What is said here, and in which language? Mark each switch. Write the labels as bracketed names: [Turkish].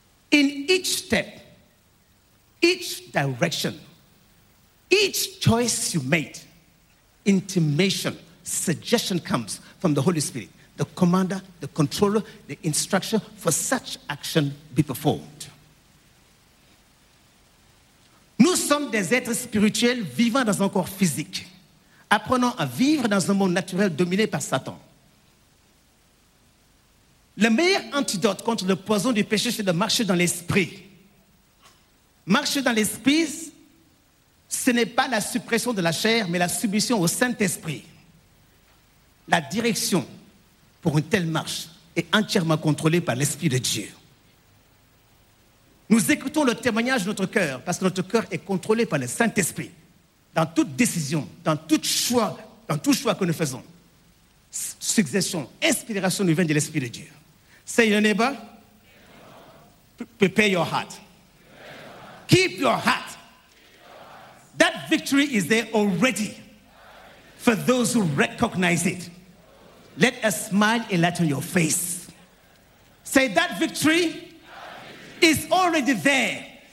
[English] In each step, each direction, each choice you made, intimation, suggestion comes from the Holy Spirit, the commander, the controller, the instruction for such action be performed. [French] Nous sommes des êtres spirituels vivant dans un corps physique, apprenant à vivre dans un monde naturel dominé par Satan. Le meilleur antidote contre le poison du péché, c'est de marcher dans l'esprit. Marcher dans l'esprit, ce n'est pas la suppression de la chair, mais la soumission au Saint-Esprit. La direction pour une telle marche est entièrement contrôlée par l'Esprit de Dieu. Nous écoutons le témoignage de notre cœur, parce que notre cœur est contrôlé par le Saint-Esprit. Dans toute décision, dans tout choix que nous faisons, suggestion, inspiration nous vient de l'Esprit de Dieu. [English] Say your neighbor, prepare your heart. Keep your heart. That victory is there already for those who recognize it. Let a smile enlighten your face. Say that victory is already there.